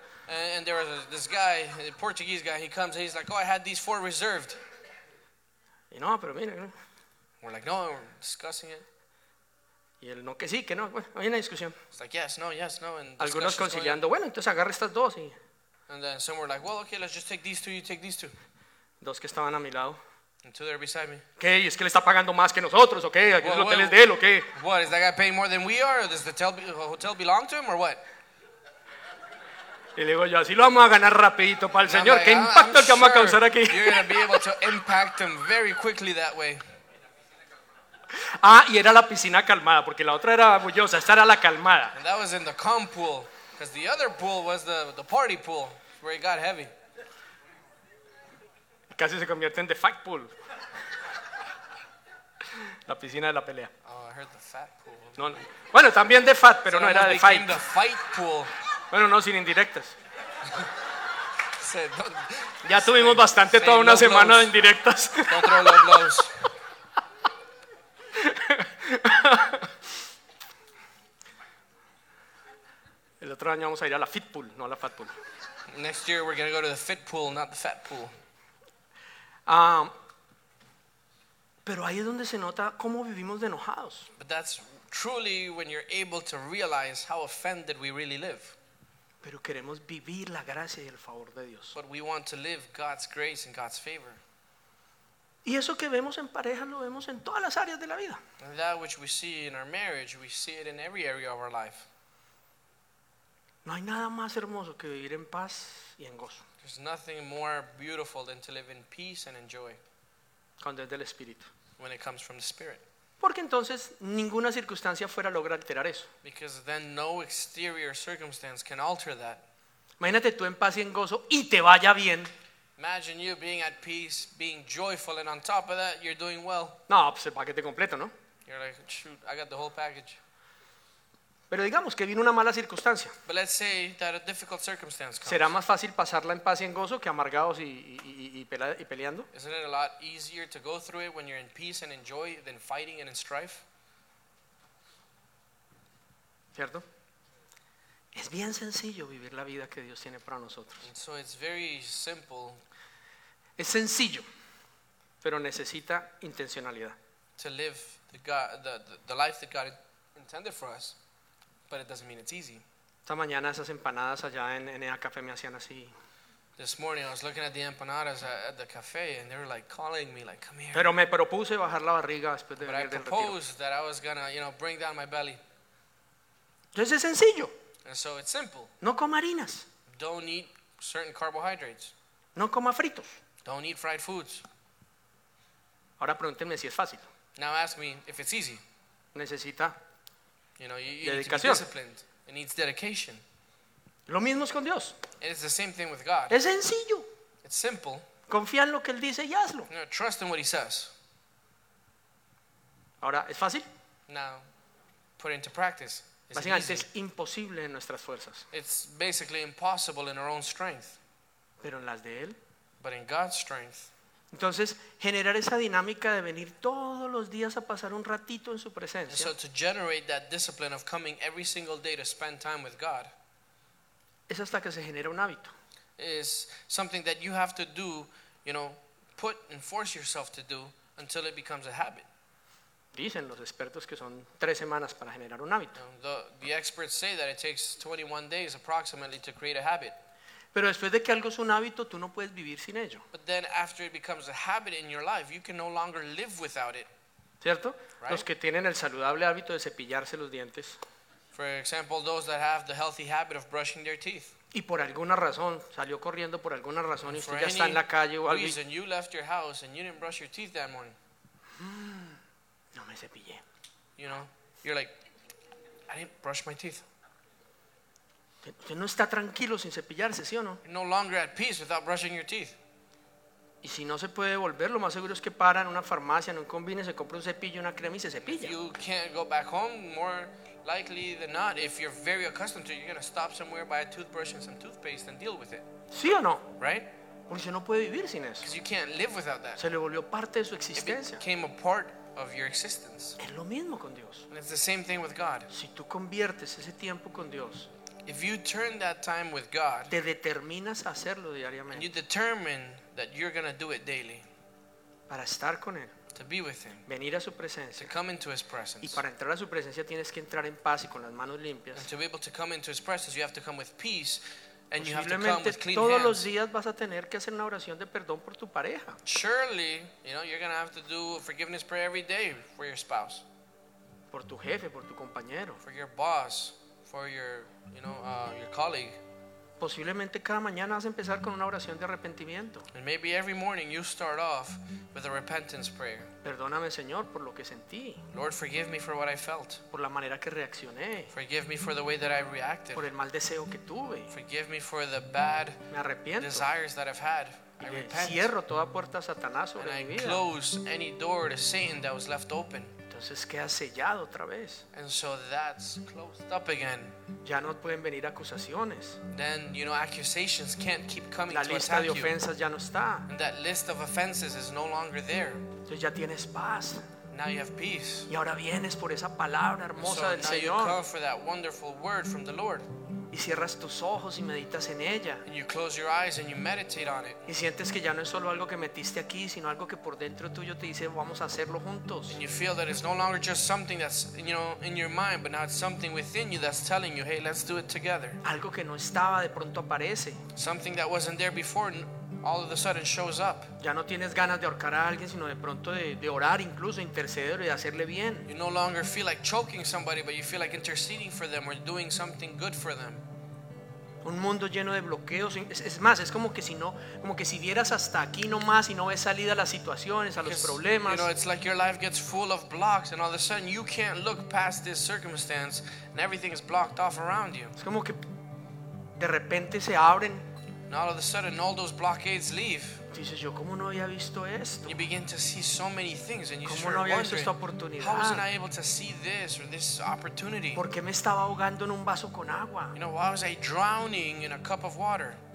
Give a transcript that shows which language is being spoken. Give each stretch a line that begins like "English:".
English: And there was this guy, a Portuguese guy, he comes and he's like, oh, I had these four reserved.
Spanish: Y no, pero mira, ¿no?
English: We're like, no, we're discussing it.
Spanish: Y él, no, que sí, que no. Bueno, hay una discusión.
English: It's like, yes, no, yes, no. And
Spanish: algunos conciliando, bueno, entonces agarra estas dos. Y...
English: And then some were like, well, okay, let's just take these two, you take these two.
Spanish: Dos que estaban a mi lado.
English: And two there beside me.
Spanish: ¿Qué? ¿Es que le está pagando más que nosotros, o qué? ¿Aquí el hotel es de él, o qué?
English: What, is that guy paying more than we are? Or does the hotel belong to him, or what?
Spanish: Y le digo yo, así lo vamos a ganar rapidito para el Señor. Like, ¿qué impacto que vamos
English: sure
Spanish: a causar aquí?
English: You're going to be able to impact him very quickly that way.
Spanish: Ah, y era la piscina calmada, porque la otra era bullosa. Esta era la calmada.
English: And that was in the calm pool, because the other pool was the party pool, where it got heavy.
Spanish: Casi se convierte en
English: the fat pool.
Spanish: La piscina de la pelea.
English: Oh, I heard the fat pool.
Spanish: No, no. Bueno, también de fat, pero
English: so
Spanish: no era de fight.
English: The fight pool.
Spanish: Bueno, no, sin indirectas.
English: Say, don't,
Spanish: ya tuvimos say, bastante
English: say
Spanish: toda
English: say
Spanish: una
English: low
Spanish: semana
English: blows
Spanish: de indirectas.
English: Don't throw low blows.
Spanish: El otro año vamos a ir a la fit pool, no a la fat pool.
English: Next year we're going to go to the fit pool, not the fat pool.
Spanish: Pero ahí es donde se nota cómo vivimos de enojados.
English: But that's truly when you're able to realize how offended we really live.
Spanish: Pero queremos vivir la gracia y el favor de Dios.
English: But we want to live God's grace and God's favor.
Spanish: Y eso que vemos en pareja lo vemos en todas las áreas de la vida.
English: And that which we see in our marriage, we see it in every area of our life.
Spanish: No hay nada más hermoso que vivir en paz y en gozo.
English: There's nothing more beautiful than to live in peace and in joy.
Spanish: Cuando es del Espíritu.
English: When it comes from the Spirit.
Spanish: Porque entonces ninguna circunstancia fuera logra alterar eso.
English: Because then no exterior circumstance can alter that.
Spanish: Imagínate tú en paz y en gozo y te vaya bien.
English: Imagine you being at peace, being joyful, and on top of that, you're doing well.
Spanish: No, pues el paquete completo, ¿no?
English: You're like, shoot, I got the whole package.
Spanish: Pero digamos que vino una mala circunstancia.
English: But let's say that a difficult circumstance comes.
Spanish: ¿Será más fácil pasarla en paz y en gozo que amargados y peleando?
English: Isn't it a lot easier to go through it when you're in peace and in joy than fighting and in strife?
Spanish: ¿Cierto? Es bien sencillo vivir la vida que Dios tiene para nosotros.
English: And so it's very simple.
Spanish: Es sencillo, pero necesita intencionalidad.
English: To live the life that God intended for us, but it doesn't mean it's easy.
Spanish: Esta mañana esas empanadas allá en el café me hacían así.
English: This morning I was looking at the empanadas at the café and they were like calling me like, come here.
Spanish: Pero me propuse bajar la barriga después de venir del retiro.
English: But I proposed that I was gonna, you know, bring down my belly.
Spanish: Entonces es sencillo.
English: And so it's simple.
Spanish: No coma harinas.
English: Don't eat certain carbohydrates.
Spanish: No coma fritos.
English: Don't eat fried foods.
Spanish: Ahora pregúntenme si es fácil.
English: Now ask me if it's easy.
Spanish: Necesita,
English: you know, you need to be disciplined. It needs dedication.
Spanish: Lo mismo es con Dios.
English: It's the same thing with God.
Spanish: Es sencillo.
English: It's simple.
Spanish: Confía en lo que él dice y hazlo.
English: You know, trust in what he says.
Spanish: Ahora, ¿es fácil?
English: Now, put it into practice.
Spanish: Básicamente es imposible en nuestras fuerzas.
English: It's basically impossible in our own strength.
Spanish: Pero en las de él.
English: But in God's strength.
Spanish: Entonces, generar esa dinámica de venir todos los días a pasar un ratito en su presencia.
English: And so to generate that discipline of coming every single day to spend time with God.
Spanish: Es hasta que se genera un hábito.
English: Is something that you have to do, you know, put and force yourself to do until it becomes a habit.
Spanish: Dicen los expertos que son 3 semanas para generar un hábito.
English: The experts say that it takes 21 days approximately to create a habit.
Spanish: Pero después de que algo es un hábito, tú no puedes vivir sin ello.
English: But then after it becomes a habit in your life, you can no longer live without it.
Spanish: ¿Cierto?
English: Right?
Spanish: Los que tienen el saludable hábito de cepillarse los dientes.
English: For example, those that have the healthy habit of brushing their teeth.
Spanish: Y por alguna razón, salió corriendo por alguna razón y usted ya está en la calle o algo.
English: For any reason, you left your house and you didn't brush your teeth that morning. You know, you're like, I didn't brush my teeth.
Spanish: Usted no está tranquilo sin cepillarse, ¿sí o no?
English: You're no longer at peace without brushing your teeth.
Spanish: Y si no se puede devolver, lo más seguro es que para en una farmacia, en un convenio, se compra un cepillo, una crema y se cepilla.
English: If you can't go back home, more likely than not, if you're very accustomed to it, you're going to stop somewhere, buy a toothbrush and some toothpaste and deal with it.
Spanish: ¿Sí o no?
English: Right?
Spanish: Porque si no puede vivir sin eso.
English: Because you can't live without that.
Spanish: Se le volvió parte de su existencia.
English: It became a part of your existence.
Spanish: Es lo mismo con Dios.
English: And it's the same thing with God.
Spanish: Si tú conviertes ese tiempo con Dios,
English: if you turn that time with God,
Spanish: te determinas a hacerlo diariamente.
English: You determine that you're going to do it daily.
Spanish: Para estar con él.
English: To be with him.
Spanish: Venir a su presencia.
English: To come into his presence.
Spanish: Y para entrar a su presencia tienes que entrar en paz y con las manos limpias.
English: And to be able to come into his presence, you have to come with peace. And you have to come with clean hands.
Spanish: Los días vas a tener que hacer una oración de perdón por tu pareja.
English: Surely, you know, you're going to have to do a forgiveness prayer every day for your spouse.
Spanish: Por tu jefe, por tu compañero.
English: For your boss, for your, you know, your colleague.
Spanish: Posiblemente cada mañana vas a empezar con una oración de arrepentimiento.
English: And maybe every morning you start off with a repentance prayer.
Spanish: Perdóname, Señor, por lo que sentí.
English: Lord, forgive me for what I felt.
Spanish: Por la manera que reaccioné.
English: Forgive me for the way that I reacted.
Spanish: Por el mal deseo que tuve.
English: Forgive me for the bad
Spanish: me arrepiento.
English: Desires that I've had.
Spanish: Y
English: I repent.
Spanish: Cierro toda puerta a Satanás sobre
English: and
Spanish: mi
English: I
Spanish: vida.
English: Close any door to Satan that was left open.
Spanish: Entonces queda sellado otra vez.
English: And so that's closed up again.
Spanish: Ya no pueden venir acusaciones.
English: Then, you know, accusations can't keep coming to attack
Spanish: you. La lista de ofensas ya no está.
English: And that list of offenses is no longer there.
Spanish: Entonces ya tienes paz.
English: Now you have peace.
Spanish: Y ahora vienes por esa palabra hermosa
English: so
Spanish: del Señor.
English: So now you come for that wonderful word from the Lord.
Spanish: Y cierras tus ojos y meditas en ella.
English: And you close your eyes and you meditate on it.
Spanish: Y sientes que ya no es solo algo que metiste aquí, sino algo que por dentro tuyo te dice, vamos a hacerlo juntos.
English: And you feel that it's no longer just something that's, you know, in your mind, but now it's something within you that's telling you, hey, let's do it together.
Spanish: Algo que no estaba de pronto aparece.
English: Something that wasn't there before all of a sudden shows up.
Spanish: Ya no tienes ganas de ahorcar a alguien, sino de pronto de orar, incluso interceder y hacerle bien.
English: You no longer feel like choking somebody, but you feel like interceding for them or doing something good for them.
Spanish: Un mundo lleno de bloqueos. Es más, es como que si no, como que si vieras hasta aquí nomás y no ves salida a las situaciones, a los problemas.
English: You know, it's like your life gets full of blocks, and all of a sudden you can't look past this circumstance, and everything is blocked off around you.
Spanish: Es como que de repente se abren.
English: And all of a sudden, all those blockades leave.
Spanish: Dices, yo, ¿cómo no había visto esto?
English: You begin to see so many things, and you
Spanish: ¿cómo
English: start
Spanish: no había
English: wondering,
Spanish: visto esta oportunidad?
English: How wasn't I able to see this or this opportunity?
Spanish: ¿Por qué me estaba ahogando en un vaso con agua?
English: You know, why was I drowning in a cup of water?